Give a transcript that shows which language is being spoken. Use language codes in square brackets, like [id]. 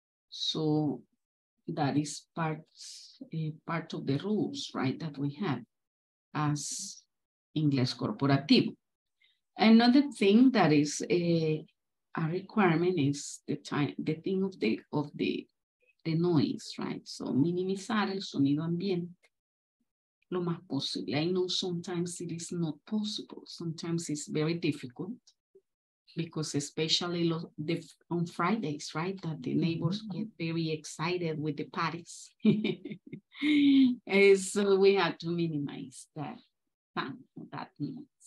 [en] So that is part of the rules, right, that we have as Inglés Corporativo. Another thing that is a requirement is the time, the thing of the noise, right? [es] So minimizar el sonido ambiente lo más posible. [en] I know sometimes it is not possible. Sometimes it's very difficult because especially on Fridays, right? That the neighbors get very excited with the parties. So we have to minimize that noise.